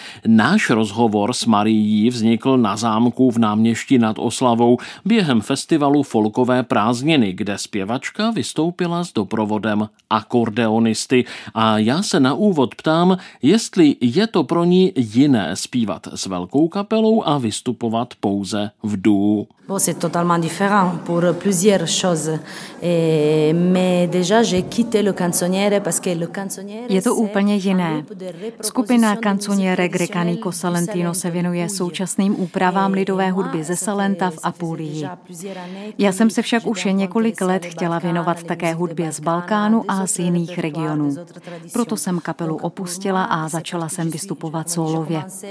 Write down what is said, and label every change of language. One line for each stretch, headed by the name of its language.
Czech: Náš rozhovor s Marií vznikl na zámku v Náměšti nad Oslavou během festivalu Folkové prázdniny, kde zpěvačka vystoupila s doprovodem akordeonisty. A já se na úvod ptám, jestli je to pro ní jiné zpívat s velkou kapelou a vystupovat pouze v duu.
French: C'est totalement différent pour plusieurs choses. Mais déjà j'ai quitté le canzoniere parce que le canzoniere.
Czech: Je to úplně jiné. Skupina Canzoniere Grecanico Salentino se věnuje současným úpravám lidové hudby ze Salenta v Apulii. Já jsem se však už několik let chtěla věnovat také hudbě z Balkánu a z jiných regionů. Proto jsem kapelu opustila a začala jsem vystupovat sólově.